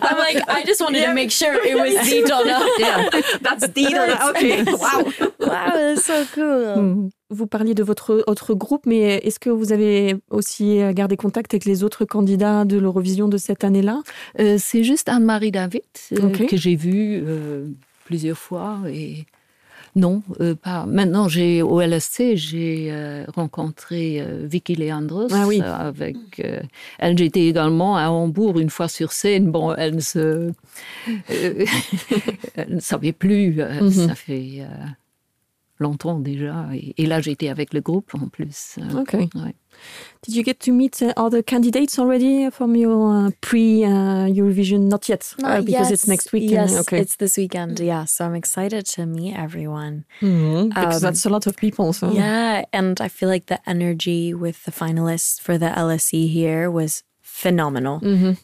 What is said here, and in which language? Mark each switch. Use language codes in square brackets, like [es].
[en] I'm like, I just wanted to make sure it was the Donna. That's the Donna. Okay, wow. Wow, that's so cool. Mm. [fr] Vous parliez de votre autre groupe, mais est-ce que vous avez aussi gardé contact avec les autres candidats de l'Eurovision de cette année-là? C'est juste Anne-Marie David que j'ai vue plusieurs fois. Et... Non, pas. Maintenant, j'ai, au LSC, j'ai rencontré Vicky Leandros avec elle. J'étais également à Hambourg une fois sur scène. Bon, elle ne se... elle ne savait plus. Mm-hmm. Ça fait... longtemps déjà. Et là, j'étais avec le groupe en plus. Ok. Ouais. [en] Did you get to meet other candidates already from your pre-Eurovision? Not yet, because it's next weekend. Yes, okay. It's this weekend, yeah. So I'm excited to meet everyone. Mm-hmm. Because that's a lot of people. So. Yeah, and I feel like the energy with the finalists for the LSE here was phenomenal. Mm-hmm.